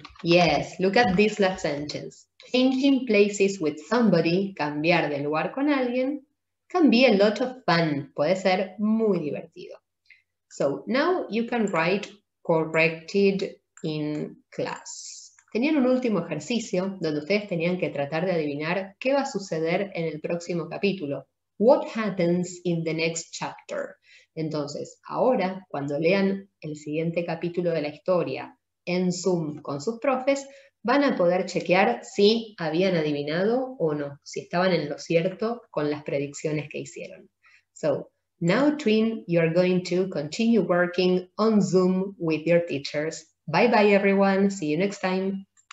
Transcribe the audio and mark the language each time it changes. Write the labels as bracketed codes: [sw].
[en] Yes, look at this last sentence. Changing places with somebody, [es] cambiar de lugar con alguien, [en] can be a lot of fun. [es] Puede ser muy divertido. [en] So now you can write corrected in class. [es] Tenían un último ejercicio donde ustedes tenían que tratar de adivinar qué va a suceder en el próximo capítulo. [en] What happens in the next chapter? [es] Entonces, ahora, cuando lean el siguiente capítulo de la historia en Zoom con sus profes, van a poder chequear si habían adivinado o no, si estaban en lo cierto con las predicciones que hicieron. [en] So, now, Twin, you're going to continue working on Zoom with your teachers. Bye-bye, everyone. See you next time.